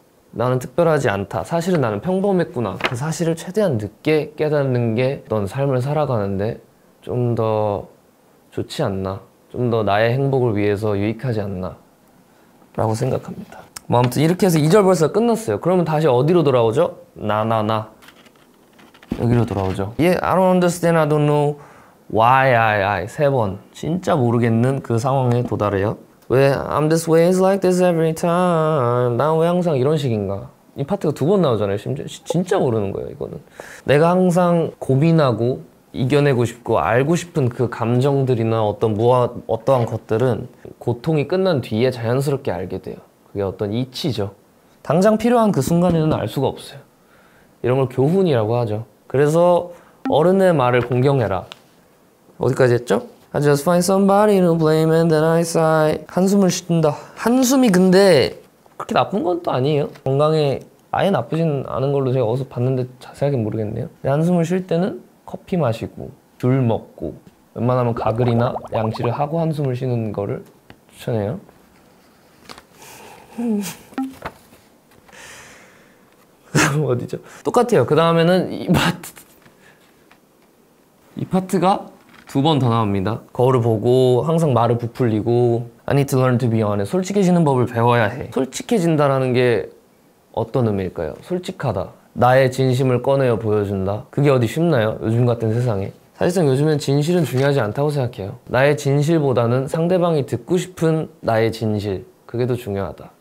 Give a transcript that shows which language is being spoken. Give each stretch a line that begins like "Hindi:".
Korean: 나는 특별하지 않다, 사실은 나는 평범했구나, 그 사실을 최대한 늦게 깨닫는 게 어떤 삶을 살아가는데 좀 더 좋지 않나, 좀 더 나의 행복을 위해서 유익하지 않나 라고 생각합니다. 뭐 아무튼 이렇게 해서 2절 벌써 끝났어요. 그러면 다시 어디로 돌아오죠? 나나나 여기로 돌아오죠.
English: Yeah, I don't understand, I don't know why I
Korean: 세 번 진짜 모르겠는 그 상황에 도달해요. 왜
English: I'm this way, it's like this every time,
Korean: 난 왜 항상 이런 식인가. 이 파트가 두 번 나오잖아요. 심지어 진짜 모르는 거예요. 이거는 내가 항상 고민하고 이겨내고 싶고 알고 싶은 그 감정들이나 어떤 어떠한 것들은 고통이 끝난 뒤에 자연스럽게 알게 돼요. 그게 어떤 이치죠. 당장 필요한 그 순간에는 알 수가 없어요. 이런 걸 교훈이라고 하죠. 그래서 어른의 말을 공경해라. 어디까지 했죠?
English: I just find somebody to blame and then I sigh.
Korean: 한숨을 쉰다. 한숨이 근데 그렇게 나쁜 건 또 아니에요. 건강에 아예 나쁘진 않은 걸로 제가 어디서 봤는데 자세하게 모르겠네요. 한숨을 쉴 때는 커피 마시고 줄 먹고 웬만하면 가글이나 양치를 하고 한숨을 쉬는 거를 추천해요. 어디죠? 똑같아요. 그 다음에는 이 파트가 두 번 더 나옵니다. 거울을 보고 항상 말을 부풀리고
English: I need to learn to be honest.
Korean: 솔직해지는 법을 배워야 해. 솔직해진다라는 게 어떤 의미일까요? 솔직하다, 나의 진심을 꺼내어 보여준다. 그게 어디 쉽나요? 요즘 같은 세상에. 사실상 요즘엔 진실은 중요하지 않다고 생각해요. 나의 진실보다는 상대방이 듣고 싶은 나의 진실, 그게 더 중요하다.